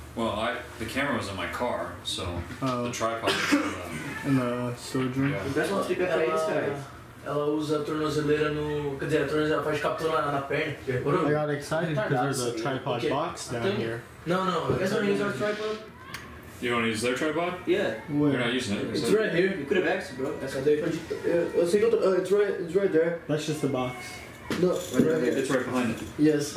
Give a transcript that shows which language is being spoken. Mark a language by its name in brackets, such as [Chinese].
[English] Well, the camera was in my car, so the tripod was in the storage room. Yeah. [Portuguese] O Beto explica pra eles, cara. Ela usa a tornozeleira no... Quer dizer, a tornozeleira faz captura na perna. [English] I got excited because there's a tripod box down here. No. You guys don't use our tripod? You don't use their tripod? Yeah. Where? You're not using it. It's right here. You could have asked, bro. That's how they... It's right there. That's just the box. No, right here. It's right behind it. Yes,